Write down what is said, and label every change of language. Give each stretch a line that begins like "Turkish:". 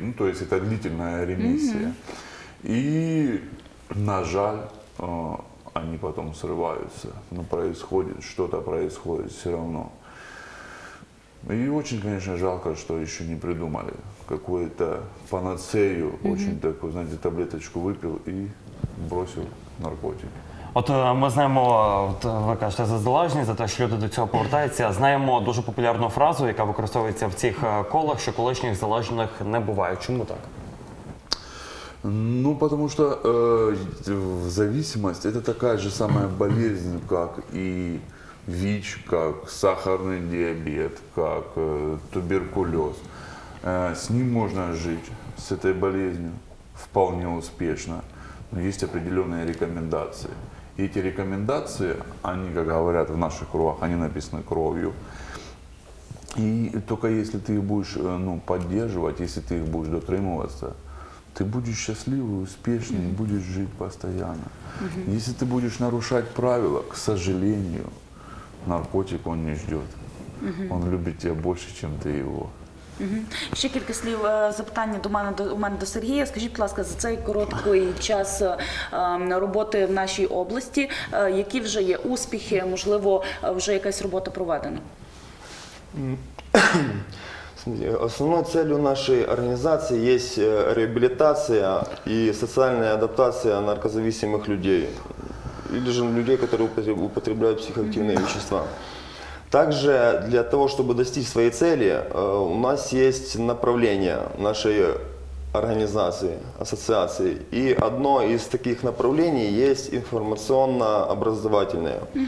Russian: Ну, то есть это длительная ремиссия. И,
Ukrainian: на жаль,
Russian: они потом срываются, но происходит, что-то происходит все равно. И очень, конечно, жалко, что еще не придумали какую-то панацею, очень такую, знаете, таблеточку выпил и бросил наркотики.
Ukrainian: От ми знаємо, от ви кажете за залежність, за те, що люди до цього повертаються. Знаємо дуже популярну фразу, яка використовується в цих колах, що колишніх залежних не буває. Чому так?
Russian: Ну, потому что зависимость – это такая же самая болезнь, как и ВИЧ, как сахарный диабет, как туберкулез. С ним можно жить, с этой болезнью, вполне успешно. Но есть определенные рекомендации. И эти рекомендации, они, как говорят в наших кругах, они написаны кровью. И только если ты их будешь поддерживать, если ты их будешь дотримываться, ты будешь счастливый, успешный, будешь жить постоянно. Если ты будешь нарушать правила, к сожалению, наркотик он не ждет. Он любит тебя больше, чем
Ukrainian: ти його. Ще кілька слів запитання у мене до Сергія. Скажіть, будь ласка, за цей короткий час роботи в нашій області, які вже є успіхи, можливо, вже якась робота проведена? Основною цілею нашої організації є реабілітація і соціальна адаптація наркозависимих людей.
Russian: Или же людей, которые употребляют психоактивные вещества. Также для того, чтобы достичь своей цели, у нас есть направление нашей организации, ассоциации. И одно из таких направлений есть информационно-образовательное.